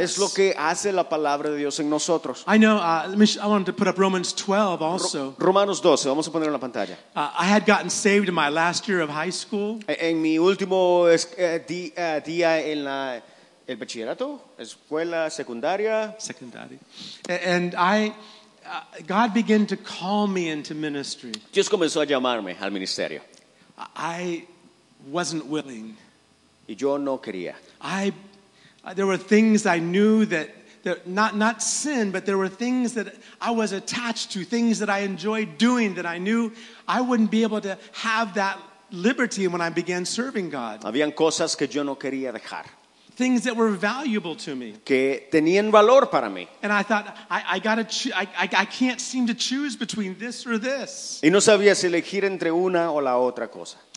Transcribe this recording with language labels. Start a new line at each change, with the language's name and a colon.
Spanish: Es lo que hace la palabra de Dios en nosotros.
English: I know, I wanted to put up Romans 12 also.
Spanish: Romanos 12, vamos a ponerlo en la pantalla.
English: I had gotten saved in my last year of high school.
Spanish: En mi último día en la el bachillerato, escuela secundaria. Secundaria.
English: And I, God began to call me into ministry.
Spanish: Dios comenzó a llamarme al ministerio.
English: I wasn't willing.
Spanish: Y yo no quería.
English: There were things I knew that. Not sin, but there were things that I was attached to, things that I enjoyed doing that I knew I wouldn't be able to have that liberty when I began serving God.
Spanish: Habían cosas que yo no quería dejar.
English: Things that were valuable to me.
Spanish: Que tenían valor para mí.
English: And I thought, I can't seem to choose between this or this.
Spanish: Y no sabía si elegir entre una o la otra cosa.